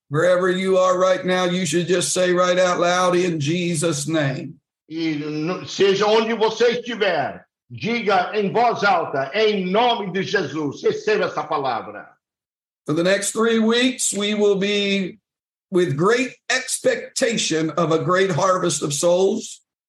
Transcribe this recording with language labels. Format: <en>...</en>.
<en>Wherever you are right now, you should just say right out loud, in Jesus' name.</en> <pt>E seja onde você estiver, diga em voz alta, em nome de Jesus, receba essa palavra.</pt> <en>For the next 3 weeks, we will be with great expectation of a great harvest of souls.</en>